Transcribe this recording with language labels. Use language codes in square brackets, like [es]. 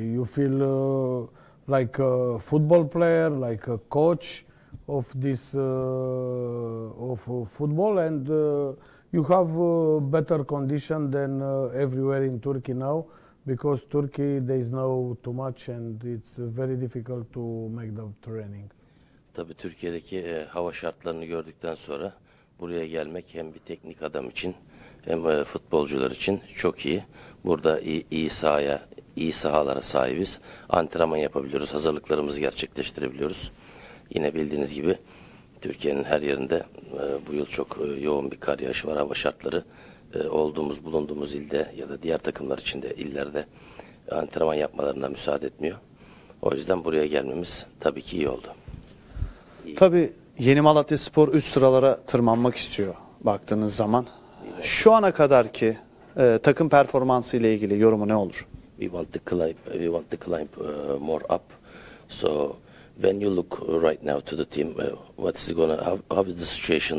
[en] You feel like a football player, like a coach of this of football, and you have better condition than everywhere in Turkey now. Because Turkey, there is no too much and it's very difficult to make the training. [tr] Tabii Türkiye'deki hava şartlarını gördükten sonra buraya gelmek hem bir teknik adam için hem futbolcular için çok iyi. Burada iyi sahalara sahibiz. Antrenman yapabiliyoruz, hazırlıklarımızı gerçekleştirebiliyoruz. Yine bildiğiniz gibi Türkiye'nin her yerinde bu yıl çok yoğun bir kar yağışı var, hava şartları. Olduğumuz, bulunduğumuz ilde ya da diğer takımlar için de illerde antrenman yapmalarına müsaade etmiyor. O yüzden buraya gelmemiz tabii ki iyi oldu. Tabii Yeni Malatyaspor üst sıralara tırmanmak istiyor baktığınız zaman. Şu ana kadarki takım performansı ile ilgili yorumu ne olur? [en] We want to climb more up. So when you look right now to the team, how is the situation?